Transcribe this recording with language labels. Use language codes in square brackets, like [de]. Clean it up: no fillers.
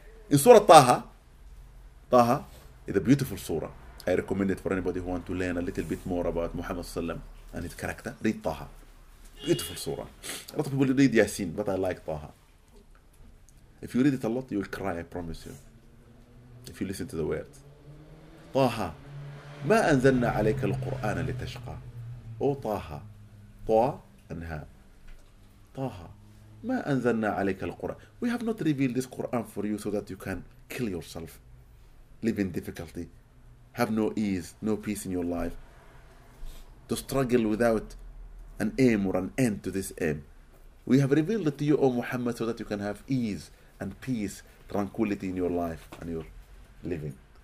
[en] In Surah Taha is a beautiful surah. I recommend it for anybody who wants to learn a little bit more about Muhammad Sallam and his character. Read Taha. Beautiful surah. A lot of people read Yasin, but I like Taha. If you read it a lot, you will cry, I promise you. If you listen to the words. [ar] Taha, ما أنزلنا عليك القرآن لتشقى. [en] Oh Taha, Ta and Ha. [ar] Taha, ما أنزلنا عليك القرآن. [en] We have not revealed this Quran for you so that you can kill yourself, live in difficulty, have no ease, no peace in your life, to struggle without an aim or an end to this aim. We have revealed it to you, O Muhammad, so that you can have ease and peace, tranquility in your life and your living.